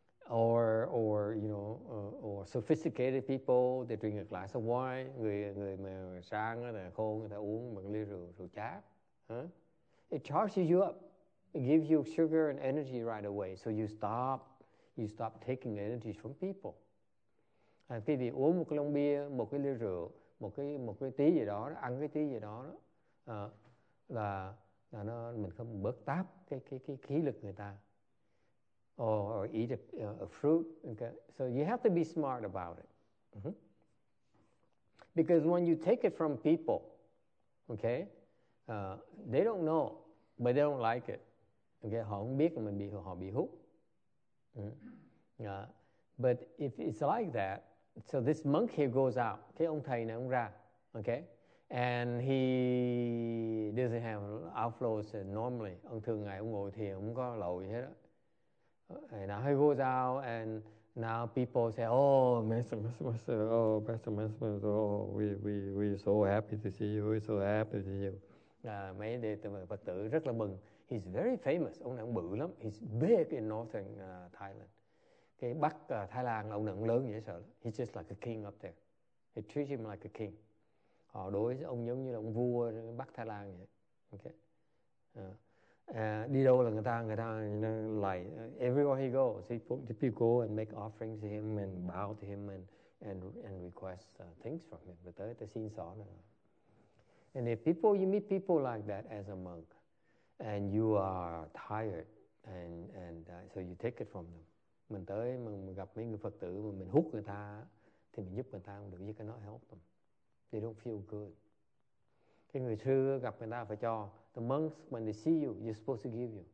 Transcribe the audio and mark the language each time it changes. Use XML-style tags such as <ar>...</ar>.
<en>Or you know, or sophisticated people, they drink a glass of wine.</en> <vi>Người mà sang là khôn, người ta uống một ly rượu chát.</vi> <en>It charges you up. It gives you sugar and energy right away. So you stop. You stop taking energy from people.</en> <vi>Khi bị uống một cái lon bia, một cái ly rượu, một cái tí gì đó, ăn cái tí gì đó, là nó mình không bớt táp cái khí lực người ta.</vi> <en>Or eat a fruit. Okay? So you have to be smart about it. Mm-hmm. Because when you take it from people, okay, they don't know, but they don't like it.</en> <vi>Okay, họ không biết mình bị họ bị hút.</vi> <en>But if it's like that, so this monk here goes out, okay,</en> <vi>ông thầy này ông ra,</vi> <en>okay, and he doesn't have outflows normally.</en> <vi>Ông thường ngày ông ngồi thiền không có lậu gì hết.</vi> <en>And now he goes out, and now people say, "Oh, Master, oh, Master, oh, we so happy to see you, we're so happy to see you."</en> <vi>Mấy đệ tử Phật tử rất là mừng.</vi> <en>He's very famous.</en> <vi>Ông này ông bự lắm.</vi> <en>He's big in northern Thailand.</en> <vi>Cái Bắc Thái Lan là ông này ông lớn dễ sợ.</vi> <en>He's just like a king up there. They treat him like a king.</en> <vi>Họ đối với ông giống như là ông vua Bắc Thái Lan vậy.</vi> <en>Okay.</en> <vi>Đi đâu là người ta</vi> <en>you know, like everywhere he goes, people go and make offerings to him and bow to him and request things from him.</en> <vi>Và tới tới xin xỏ này.</vi> <en>And if people, you meet people like that as a monk, and you are tired, and so you take it from them.</en> <vi>Mình tới mình gặp mấy người Phật tử mà mình hút người ta thì mình giúp người ta không được,</vi> <en>you cannot help them. They don't feel good.</en> <vi>Cái người sư gặp người ta phải cho.</vi> <en>The monks, when they see you, you're supposed to give you.</en>